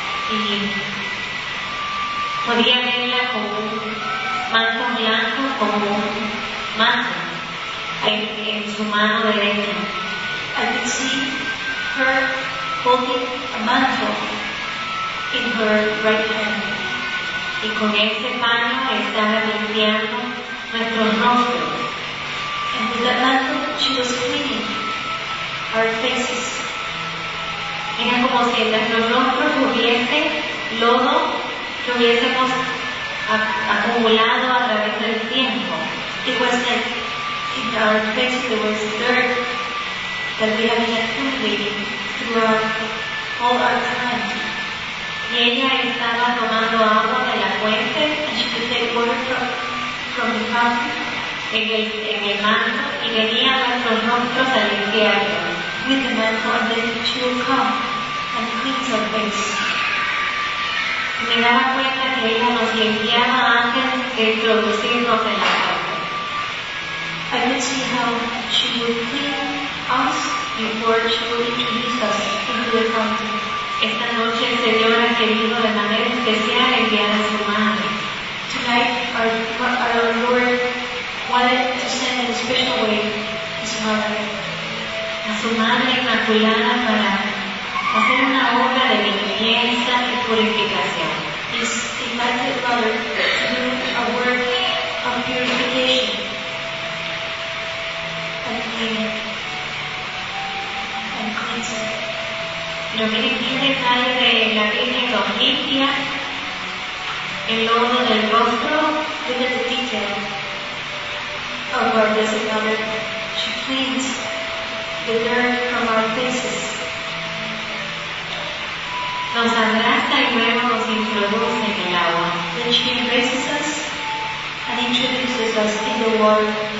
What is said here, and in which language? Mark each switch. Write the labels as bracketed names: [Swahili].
[Spanish] Y podría verla como un manto blanco, como un manto en su mano derecha. [English] I can see her holding a mantle in her right hand. [Spanish] Y con ese mano estaba limpiando nuestros rostros. [English] And with that mantle, she was cleaning our faces. [Spanish] Era como si nuestros rostros hubiesen lodo que hubiésemos acumulado a través del tiempo. [English] It was like in our faces there was dirt that we have accumulated throughout all our time. [Spanish] Y ella estaba tomando agua de la fuente, [English] and she could take water from the fountain, [Spanish] en el manto, y venía nuestros rostros a limpiarlo. [English] With the mantle, and then she would come and clean her face. [Spanish] Me daba cuenta que ella nos limpiaba antes de introducirnos en la fuente. [English] I could see how she would clean us before she would introduce us into the fountain. [Spanish] Esta noche el Señor ha querido de manera especial enviar a su madre. [English] Tonight our Lord wanted to send in a special way his mother. [Spanish] A su madre inmaculada para hacer una obra de limpieza y purificación. [English] His Immaculate Mother to do a work of purification and cleaning and cleansing. [Spanish] Pero miren qué detalle de la Virgen nos limpia el lodo del rostro. [English] Look at the detail of our Blessed Mother. She cleans the dirt from our faces. [Spanish] Nos abraza y luego nos introduce en el agua. [English] Then she embraces us and introduces us in the world.